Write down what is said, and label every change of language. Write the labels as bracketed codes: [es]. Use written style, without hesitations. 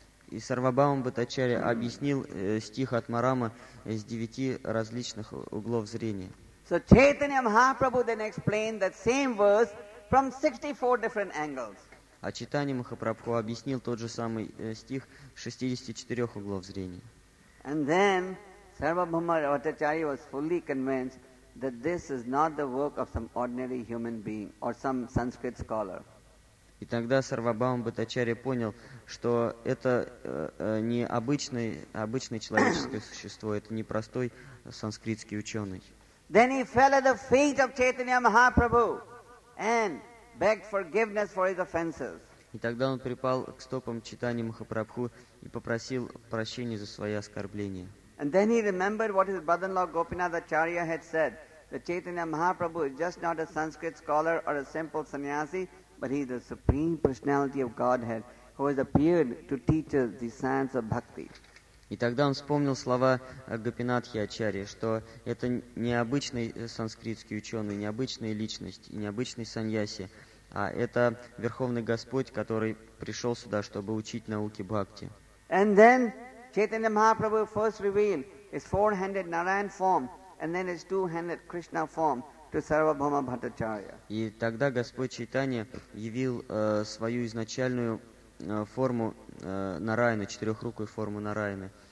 [ru] И Сарвабхама Бхаттачарья объяснил стих Атмарама с 9 различных углов зрения. [en] So Chaitanya Mahaprabhu then explained that same verse from 64 different angles. [ru] А Чайтанья Махапрабху объяснил тот же самый стих с 64 углов зрения. [en] And then Sarvabhama Bhattacharya was fully convinced that this is not the work of some ordinary human being or some Sanskrit scholar. [ru] И тогда Сарвабхама Бхаттачарья понял, что это не обычное человеческое существо, это не простой санскритский ученый. [en] Then he fell at the feet of Chaitanya Mahaprabhu and begged forgiveness for his offenses. [ru] И тогда он припал к стопам Чайтаньи Махапрабху и попросил прощения за свои оскорбления. [en] And then he remembered what his brother-in-law Gopinath Acharya had said, that Chaitanya Mahaprabhu is just not a Sanskrit scholar or a simple sannyasi, but he is the supreme personality of Godhead who has appeared to teach us the science of bhakti. [ru] И тогда он вспомнил слова Гопинатхи Ачарьи, что это не обычный санскритский ученый, не обычная личность и не обычный саньяси, А это Верховный Господь, который пришел сюда, чтобы учить науки бхакти. [en] And then Chaitanya Mahaprabhu first revealed his four-handed Narayan form and then his two-handed Krishna form to Sarvabhauma Bhattacharya. [ru] И тогда Господь Чайтанья явил свою изначальную форму Нараяны, четырехрукую форму Нараяны.